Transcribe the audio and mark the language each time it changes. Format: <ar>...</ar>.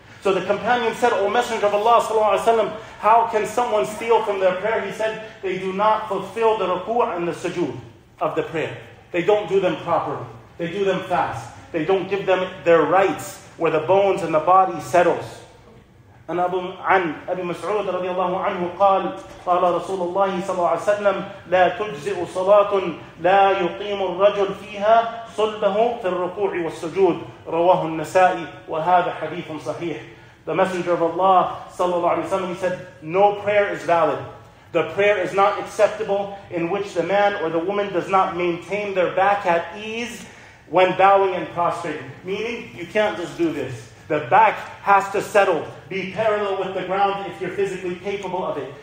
<en>So the companion said, O Messenger of Allah ﷺ, how can someone steal from their prayer? He said, they do not fulfill the ruku' and the sujood of the prayer. They don't do them properly. They do them fast. They don't give them their rights where the bones and the body settles.</en> <ar>عن أبي مسعود رضي الله عنه قال قال رسول الله صلى الله عليه وسلم لا تجزئ صلاة لا يقيم الرجل فيها صلبه في الركوع والسجود رواه النسائي وهذا حديث صحيح.</ar> <en>The Messenger of Allah صلى الله عليه وسلم, he said, no prayer is valid. The prayer is not acceptable in which the man or the woman does not maintain their back at ease when bowing and prostrating. Meaning, you can't just do this. The back has to settle, be parallel with the ground if you're physically capable of it.</en>